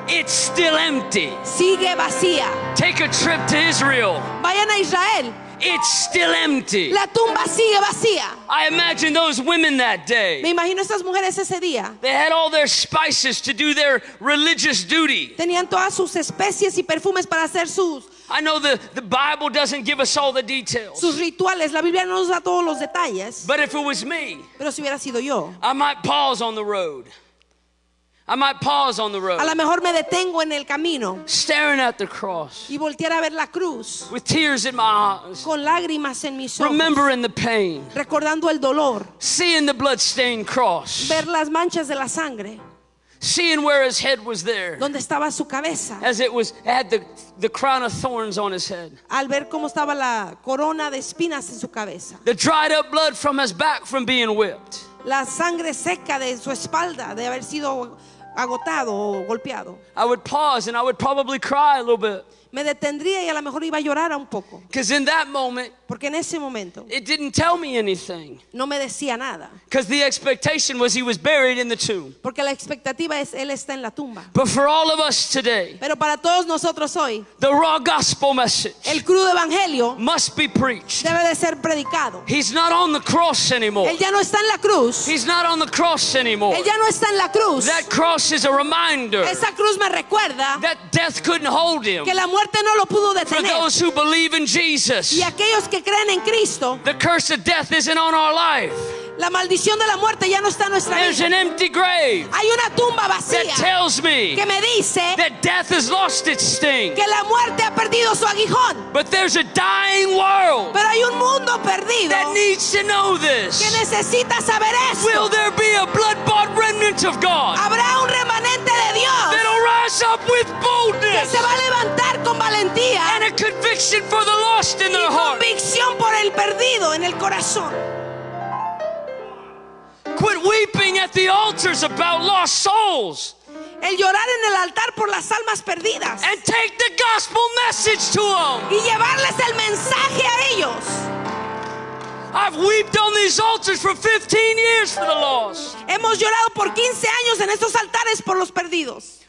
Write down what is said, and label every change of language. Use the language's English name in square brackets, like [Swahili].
[English] It's still empty. [Spanish] Sigue vacía. [English] Take a trip to Israel. [Spanish] Vayan a Israel. [English] It's still empty. [Spanish] La tumba sigue vacía. [English] I imagine those women that day. [Spanish] Me imagino esas mujeres ese día. [English] They had all their spices to do their religious duty. [Spanish] Tenían todas sus especies y perfumes para hacer sus. [English] I know the Bible doesn't give us all the details. [Spanish] Sus rituales, la Biblia no nos da todos los detalles. [English] But if it was me, [Spanish] pero si hubiera sido yo, [English] I might pause on the road. I might pause on the road. [Spanish] A lo mejor me detengo en el camino. [English] Staring at the cross. [Spanish] Y voltear a ver la cruz. [English] With tears in my eyes. [Spanish] Con lágrimas en mis ojos. [English] Remembering the pain. [Spanish] Recordando el dolor. [English] Seeing the blood-stained cross. [Spanish] Ver las manchas de la sangre. [English] Seeing where his head was there. [Spanish] Donde estaba su cabeza. [English] As it was had the crown of thorns on his head. [Spanish] Al ver cómo estaba la corona de espinas en su cabeza. [English] The dried up blood from his back from being whipped. [Spanish] La sangre seca de su espalda de haber sido agotado o golpeado. [English] I would pause and I would probably cry a little bit. [Spanish] Me detendría y a lo mejor iba a llorar un poco. [English] Because in that moment, [Spanish] porque en ese momento, [English] it didn't tell me anything. [Spanish] No me decía nada. [English] Because the expectation was he was buried in the tomb. [Spanish] Porque la expectativa es él está en la tumba. [English] But for all of us today, [Spanish] pero para todos nosotros hoy, [English] the raw gospel message, [Spanish] el crudo evangelio, [English] must be preached. [Spanish] Debe de ser predicado. [English] He's not on the cross anymore. [Spanish] Él ya no está en la cruz. [English] He's not on the cross anymore. [Spanish] Él ya no está en la cruz. [English] That cross is a reminder. [Spanish] Esa cruz me recuerda. [English] That death couldn't hold him. [Spanish] Que la muerte no lo pudo detener. [English] For those who believe in Jesus, [Spanish] y aquellos que creen en Cristo, [English] the curse of death isn't on our life. [Spanish] La maldición de la muerte ya no está en nuestra [English] There's [Spanish] vida. [English] An empty grave. [Spanish] Hay una tumba vacía. [English] That tells me, [Spanish] que me dice, [English] that death has lost its sting. [Spanish] Que la muerte ha perdido su aguijón. [English] But there's a dying world. [Spanish] Pero hay un mundo perdido. [English] That needs to know this. [Spanish] Que necesita saber esto. [English] Will there be a blood-bought remnant of God? [Spanish] Habrá un remanente de Dios. [English] That'll rise up with boldness. [Spanish] Que se va a levantar con valentía. [English] And a conviction for the lost in their heart. [Spanish] Y convicción por el perdido en el corazón. [English] Quit weeping at the altars about lost souls. [Spanish] El llorar en el altar por las almas perdidas. [English] And take the gospel message to them. [Spanish] Y llevarles el mensaje a ellos. [English] I've wept on these altars for 15 years for the lost. [Spanish] Hemos llorado por 15 años en estos altares por los perdidos.